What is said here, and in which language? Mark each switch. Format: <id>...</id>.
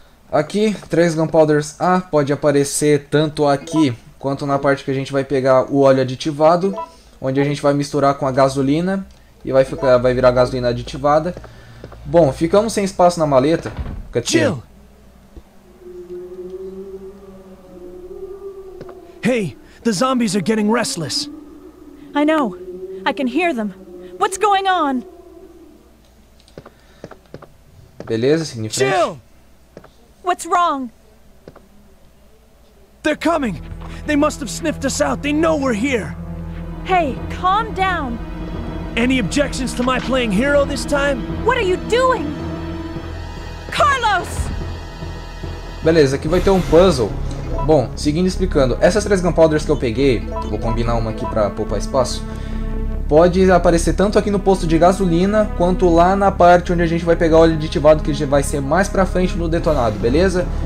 <pt>Aqui, três gunpowders A, pode aparecer tanto aqui quanto na parte que a gente vai pegar o óleo aditivado, onde a gente vai misturar com a gasolina e vai virar gasolina aditivada. Bom, ficamos sem espaço na maleta.</pt> <en>Jill! Hey, the zombies are getting restless. I know. I can hear them. What's going on?</en> <pt>Beleza, significa.</pt> <en>Jill! What's wrong? They're coming. They must have sniffed us out. They know we're here. Hey, calm down. Any objections to my playing hero this time? What are you doing? Carlos!</en> <pt>Beleza, aqui vai ter um puzzle. Bom, seguindo explicando, essas três gunpowders que eu peguei, vou combinar uma aqui pra poupar espaço, pode aparecer tanto aqui no posto de gasolina, quanto lá na parte onde a gente vai pegar o óleo aditivado, que vai ser mais pra frente no detonado, beleza?</pt>